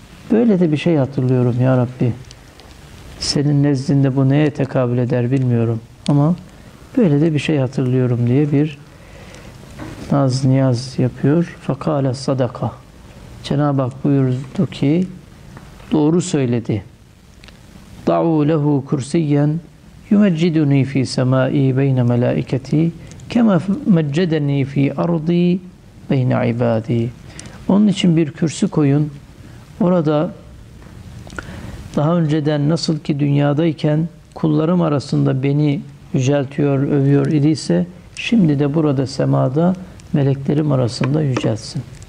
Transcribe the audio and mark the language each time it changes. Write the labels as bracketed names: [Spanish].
[Turkish] Böyle de bir şey hatırlıyorum ya Rabbi. Senin nezdinde bu neye tekabül eder bilmiyorum ama böyle de bir şey hatırlıyorum diye bir naz niyaz yapıyor. [Arabic] Fakale sadaka. [Turkish] Cenab-ı Hak buyurdu ki doğru söyledi. [Arabic] دعوا له كرسيا يمجدني في سمائي بين ملائكتي كما مجدني في أرضي بين عبادي. [Turkish] Onun için bir kürsü koyun. Orada daha önceden nasıl ki dünyadayken kullarım arasında beni yüceltiyor, övüyor idiyse şimdi de burada semada meleklerim arasında yücelsin.